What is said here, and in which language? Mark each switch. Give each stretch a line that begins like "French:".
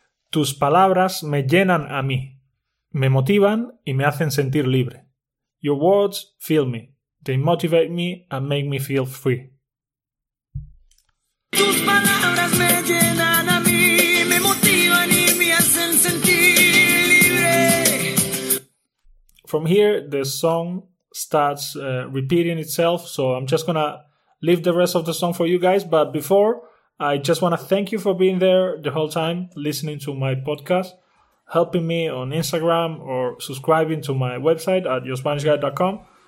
Spanish: Tus palabras me llenan a mí, me motivan y me hacen sentir libre.
English: Your words fill me, they motivate me and make me feel free.
Spanish: Tus palabras me llenan a mí, me motivan y me hacen sentir libre.
English: From here, the song starts repeating itself, so I'm just gonna leave the rest of the song for you guys, but before, I just want to thank you for being there the whole time, listening to my podcast, helping me on Instagram, or subscribing to my website at yourspanishguide.com.